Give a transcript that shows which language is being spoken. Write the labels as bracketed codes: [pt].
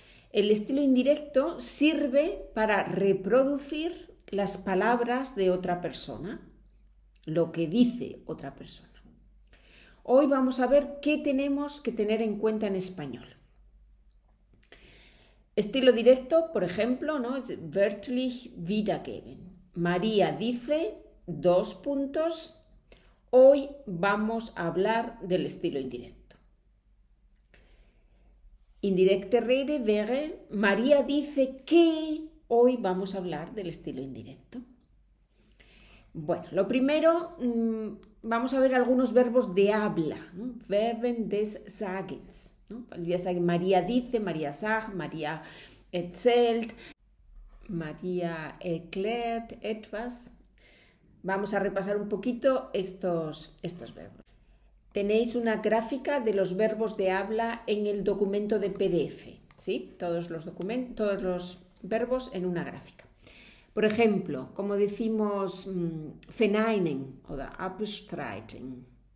[es] El estilo indirecto sirve para reproducir las palabras de otra persona, lo que dice otra persona. Hoy vamos a ver qué tenemos que tener en cuenta en español. Estilo directo, por ejemplo, ¿no? [de] Es wörtlich wiedergeben. [es] María dice, dos puntos. Hoy vamos a hablar del estilo indirecto. [de] Indirecte rede, wäre, [es] María dice que hoy vamos a hablar del estilo indirecto. Bueno, lo primero, vamos a ver algunos verbos de habla, ¿no? [de] Verben des Sagens, ¿no? María dice, María sagt, María erzählt, María erklärt etwas. [es] Vamos a repasar un poquito estos verbos. Tenéis una gráfica de los verbos de habla en el documento de PDF, ¿sí? Todos los verbos en una gráfica. Por ejemplo, como decimos [de] verneinen o abstreiten.